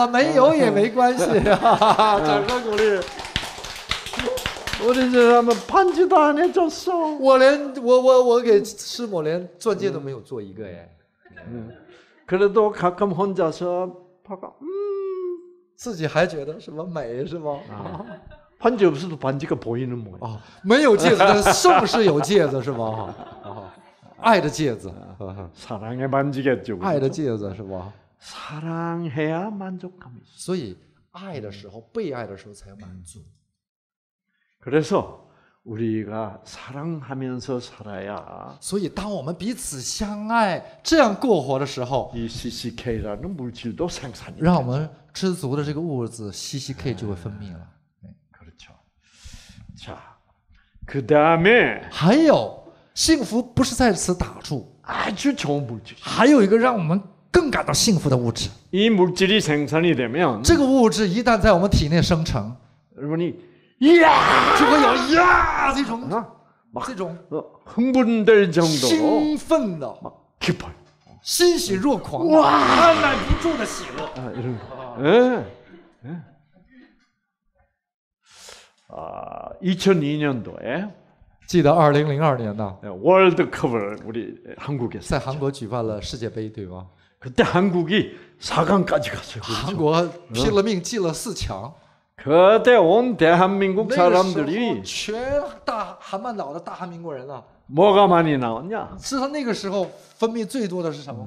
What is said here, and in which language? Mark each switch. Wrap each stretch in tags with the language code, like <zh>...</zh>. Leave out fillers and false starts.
<zh>师傅说了，没有也没关系。掌声鼓励。</zh> <ko>우리 집에 반지도 안 해줬어.</ko> <zh>我连我给师母连钻戒都没有做一个耶。</zh> <ko>그래도 가끔 혼자서 봐가</ko> <zh>自己还觉得什么美是吗？</zh> <ko>반지 없어도 반지가 보이는 모양.</ko> <zh>没有戒指，但是不是有戒指是吗？爱的戒指。</zh> <ko>사랑의 반지겠죠.</ko> <zh>爱的戒指是吧？</zh> <ko>사랑해야 만족감이.</ko> <zh>所以爱的时候，被爱的时候才满足。</zh> <ko>그래서 우리가 사랑하면서 살아야.</ko> <zh>所以当我们彼此相爱这样过活的时候，</zh> <ko>이 CCK라는 물질도 생산이.</ko> <zh>让我们知足的这个物质 CCK 就会分泌了。</zh> <ko>그렇죠. 자, 그 다음에.</ko> <zh>还有，幸福不是在此打住。</zh> <ko>아주 좋은 물질.</ko> <zh>还有一个让我们更感到幸福的物质。</zh> <ko>이 물질이 생산이 되면.</ko> <zh>这个物质一旦在我们体内生成。</zh> <ko>여러분이 이야!</ko> <zh>就会有呀!这种</zh> <ko>흥분될 정도로</ko> <zh>兴奋的</zh> <ko>기뻐요.</ko> <zh>欣喜若狂.</zh> <ko>와!</ko> <zh>按捺不住的喜乐.</zh> <ko>이런 거. 2002년도에</ko> <zh>记得2002年的</zh> <ko>월드컵을 우리 한국에서</ko> <zh>在韩国举办了世界杯，对吗？</zh> <ko>그때 한국이 4강까지 갔어요.</ko> <zh>韩国拼了命进了四强。</zh> <ko>그때 온 대한민국 사람들이</ko> <zh>全大韩半岛的大韩民国人啊，</zh> <ko>뭐가 많이 나왔냐?</ko> <zh>是他那个时候分泌最多的是什么？</zh>